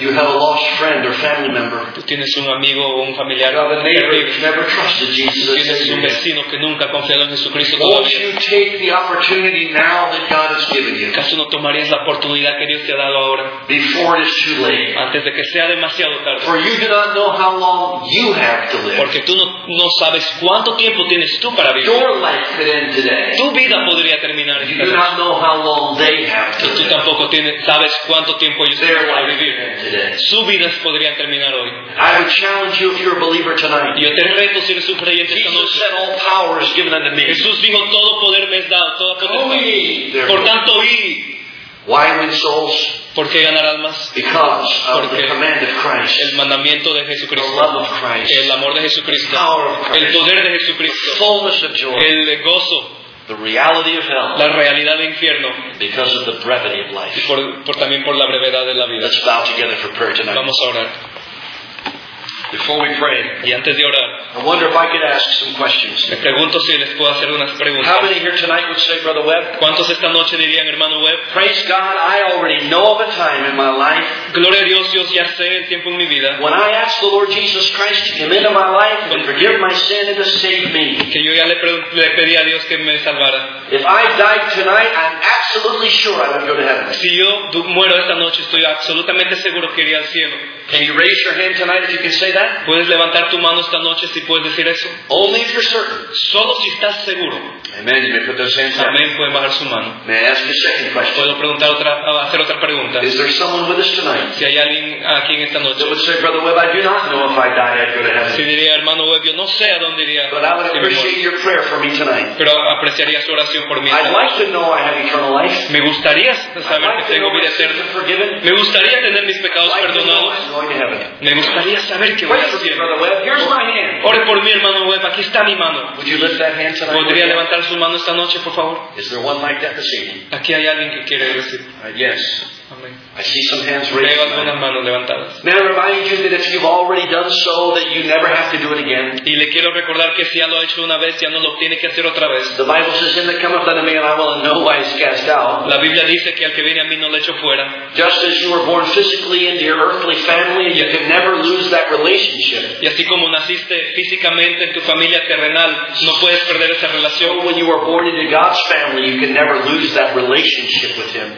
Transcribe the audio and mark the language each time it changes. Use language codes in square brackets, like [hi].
[en] You have a lost friend or family member. [es] Tú tienes un amigo o un familiar. [en] You have a neighbor who's never trusted Jesus. [es] Tú tienes un vecino que nunca ha confiado en Jesucristo. [en] Won't you take the opportunity now that God has given you? [es] ¿Acaso no tomarías la oportunidad que Dios te ha dado ahora? [en] Before it's too late. [es] Antes de que sea demasiado tarde. [en] For you do not know how long you have to live. [es] Porque tú no sabes cuánto tiempo tienes tú para vivir. [en] Your life could end today. [es] Tu vida podría terminar esta noche. [en] You do not know how long they have to live. [es] Tú tampoco tienes. ¿Sabes cuánto tiempo ellos van a vivir? Su vida podría terminar hoy. [en] I would challenge you if you're a believer tonight. [es] Yo te reto si eres un creyente esta noche. [en] Jesus said all power is given unto me. [es] Jesús dijo todo poder me es dado, toda potestad. Por tanto, y [en] why win souls? [es] ¿Por qué ganar almas? [en] Because of [es] porque [en] the command of Christ. [es] El mandamiento de Jesucristo. [en] The love of Christ. [es] El amor de Jesucristo. [en] The power of Christ. [es] El poder de Jesucristo. [en] The fullness of joy. [es] El gozo. [en] The reality of hell. [es] La realidad del infierno. [en] Because of the brevity of life. [es] Y por también por la brevedad de la vida. [en] Let's bow together for prayer tonight. [es] Vamos a orar. [en] Before we pray. [es] Y antes de orar. [en] I wonder if I could ask some questions. [es] Me pregunto si les puedo hacer unas preguntas. [en] How many here tonight would say, Brother Webb? [es] ¿Cuántos esta noche dirían, hermano Webb? [en] Praise God, I already know of a time in my life. [es] Gloria a Dios, yo ya sé el tiempo en mi vida. [en] When I ask the Lord Jesus Christ to come into my life and forgive my sin and to save me. [es] Que yo ya le pedí a Dios que me salvara. [en] If I died tonight, I'm absolutely sure I would go to heaven. [es] Si yo muero esta noche, estoy absolutamente seguro que iría al cielo. [en] Can you raise your hand tonight if you can say that? [es] ¿Puedes levantar tu mano esta noche si puedes decir eso? [en] Only if you're certain. [es] Solo si estás seguro. [en] Amen. You may put those hands down. [es] Amen. Pueden bajar su mano. [en] May I ask a second question? [es] ¿Puedo preguntar hacer otra pregunta? [en] Is there someone with us tonight? [es] Si hay alguien aquí en esta noche. [en] That would say, Brother Webb, I do not know if I died, I'd go to heaven. [es] Si diría, hermano Webb, yo no sé a dónde iría. [en] But I would appreciate your prayer for me tonight. [es] Pero apreciaría su oración por mí. [en] I'd like to know I have eternal life. [es] Me gustaría saber que tengo vida eterna. Me gustaría tener mis pecados perdonados. Me gustaría saber qué voy a hacer. Ore por mí, hermano Webb. Aquí está mi mano. ¿Podría levantar su mano esta noche, por favor? ¿Aquí hay alguien que quiere decir? [en] Yes. I see some hands raised. May I remind you that if you've already done so, that you never have to do it again. [es] Y le quiero recordar que si ya lo ha hecho una vez, ya no lo tiene que hacer otra vez. [en] The Bible says, "In the cometh unto me, and I will in no wise cast out." [es] La Biblia dice que al que viene a mí no le echo fuera. [en] Just as you were born physically into your earthly family, you can never lose that relationship. [es] Y así como naciste físicamente en tu familia terrenal, no puedes perder esa relación. [en] When you were born into God's family, you can never lose that relationship with Him.